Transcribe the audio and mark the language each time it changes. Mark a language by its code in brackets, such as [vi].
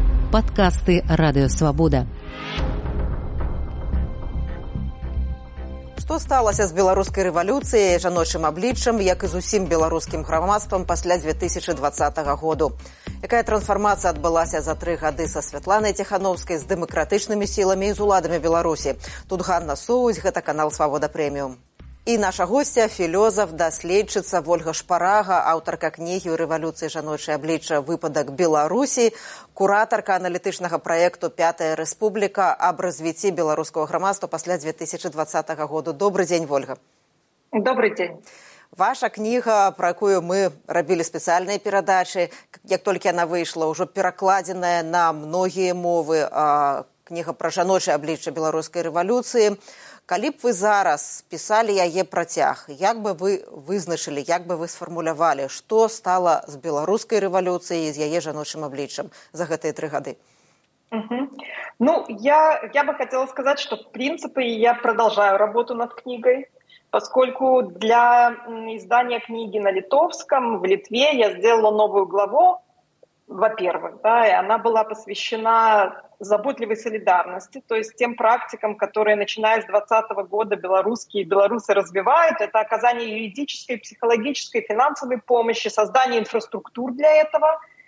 [be] подкасты «Радио Свобода». Што сталася з беларускай рэвалюцыяй, жаночым абліччам, як і з усім беларускім грамадствам пасля 2020 году? Якая трансфармацыя адбылася за 3 гады са Святланай Ціхановскай, з дэмакратычнымі сіламі і з уладамі Беларусі? Тут Ганна Соусь, гэта канал «Свабода прэміум». І наша гостя – філозаф, даследчыца Вольга Шпарага, аўтарка кнігі «Рэвалюцыі жаночай абліччы. Выпадак Беларусі», куратарка аналітычнага праекту «Пятая рэспубліка» аб развіцці беларускага грамадства пасля 2020 году. Добрый дзень, Вольга. Добрый дзень. Ваша кніга, пра якую мы рабілі спецыяльныя перадачы, як толькі яна выйшла, ўжо перакладзеная на многія мовы, кніга пра жаночай абліччы беларускай рэвалюцыі. Калі б вы зараз писали яе протяг, як бы вы вызначылі, як бы вы сфармулявалі, што стала з беларускай рэвалюцыяй і з яе жаночым абліччам за гэтыя 3 гады? [ru] Ну, я бы хотела сказаць, што, в принципе, я продолжаю работу над кнігай, поскольку для издания кнігі на литовском в Литве я сделала новую главу, во-первых, да, и она была посвящена заботливой солидарности, то есть тем практикам, которые, начиная с 2020 года, белорусские и белорусы развивают, это оказание юридической, психологической, финансовой помощи, создание инфраструктур для этого.